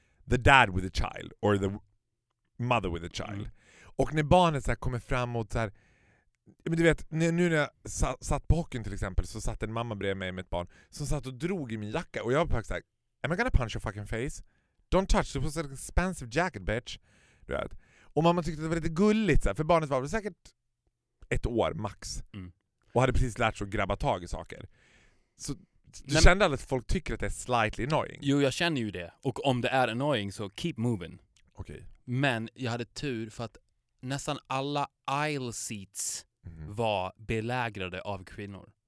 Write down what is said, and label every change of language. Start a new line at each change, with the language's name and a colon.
English: The dad with a child or the mother with a child. Mm.
Swedish: Och när barnet så kommer fram och så här, men du vet, nu när jag satt på hockeyn till exempel så satt en mamma bredvid mig med ett barn som satt och drog i min jacka och jag var faktiskt så här,
English: am I gonna punch your fucking face? Don't touch, it was an expensive jacket, bitch.
Swedish: Du vet. Och mamma tyckte att det var lite gulligt så här, för barnet var säkert 1 år max. Mm. Och hade precis lärt sig att grabba tag i saker. Så du kände att folk tycker att det är
English: slightly annoying?
Swedish: Jo, jag känner ju det. Och om det är annoying så
English: keep moving. Okay.
Swedish: Men jag hade tur för att nästan alla
English: aisle seats
Swedish: var belägrade av kvinnor.